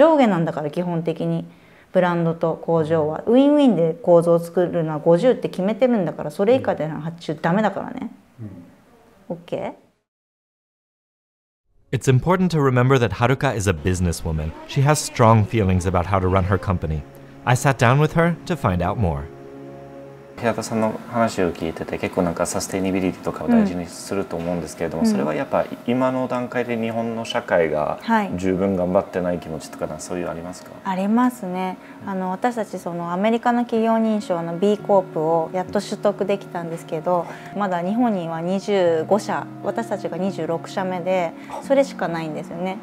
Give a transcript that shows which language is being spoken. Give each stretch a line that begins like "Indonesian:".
Japanese: ちょっと、これ、うちが申し訳ない。なんでこうなっちゃってます?めちゃくちゃ怒ります、私これ。50足単位で発注するしなければならないって。なってますかね?財産が取れるロット50で決めましょうって言って、それ以下では発注しませんって言って、うちでルールを作ったの。だから50以下でもいいですかって相談をかけること自体が NG 行動なんですよ。上下なんだから基本的に。ブランドと工場はウィンウィンで構造を作るのは50って決めてるんだから、それ以下での発注ダメだからね。 OK?
English: It's important to remember that Haruka is a businesswoman. She has strong feelings about how to run her company. I sat down with her to find out more.
Japanese: 平田さんの話を聞いてて、結構なんかサステイニビリティとかを大事にすると思うんですけれども、うん、それはやっぱ今の段階で日本の社会が十分頑張ってない気持ちとか、そういうありますか？ありますね。私たちそのアメリカの企業認証の B コープをやっと取得できたんですけど、まだ日本には25社、私たちが26社目でそれしかないんですよね。